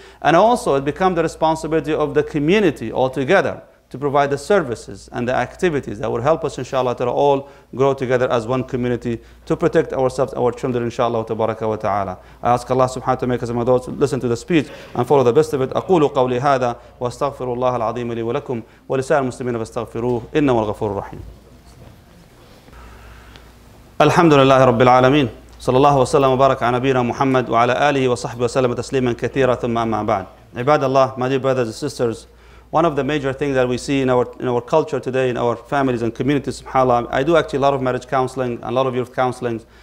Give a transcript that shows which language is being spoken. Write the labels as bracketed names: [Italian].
[English] And also it becomes the responsibility of the community altogether to provide the services and the activities that will help us, inshallah, to all grow together as one community to protect ourselves, our children, inshallah, tabaraka wa ta'ala. I ask Allah subhanahu wa ta'ala to make us among those who listen to the speech and follow the best of it. [Arabic] أقول قولي هذا واستغفر الله العظيم لي ولكم ولسائر المسلمين فاستغفروه إنه الغفور الرحيم. الحمد لله رب العالمين صلى الله وسلم وبارك على نبينا محمد وعلى آله وصحبه وسلم تسليما كثيرا ثم أما بعد عباد الله, [English] my dear brothers and sisters, one of the major things that we see in our culture today, in our families and communities, subhanAllah, I do actually a lot of marriage counseling and a lot of youth counseling.